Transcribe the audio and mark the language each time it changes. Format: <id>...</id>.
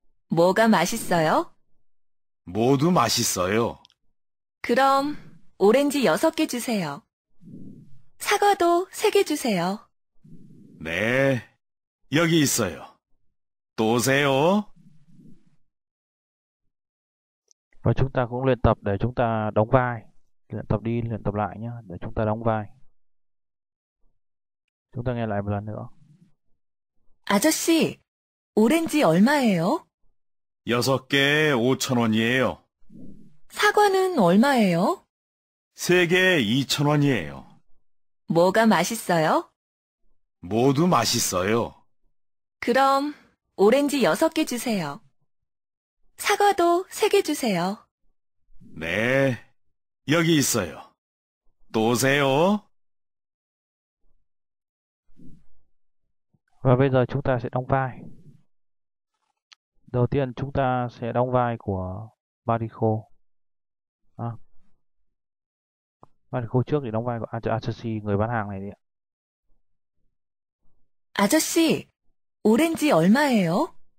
<ko>뭐가 맛있어요? 모두 맛있어요. 그럼 오렌지 6개 주세요. 사과도 3개 주세요. 네, 여기 있어요. 또 오세요.</ko> <vi>Và chúng ta cũng luyện tập để chúng ta đóng vai. Luyện tập đi, luyện tập lại nhé, để chúng ta đóng vai. Chúng ta nghe lại một lần nữa.</vi> <ko>아저씨, 오렌지 얼마예요? 6개에 5,000원이에요. 사과는 얼마예요? 3개에 2,000원이에요. 뭐가 맛있어요? 모두 맛있어요. 그럼 오렌지 6개 주세요. 사과도 3개 주세요. 네, 여기 있어요. 또 오세요.</ko> <vi>Và bây giờ chúng ta sẽ đóng vai. Đầu tiên chúng ta sẽ đóng vai của Mariko. À, Mariko trước thì đóng vai của Atsushi, người bán hàng này đi ạ.</vi> <ko>아저씨, 오렌지 얼마예요?</ko>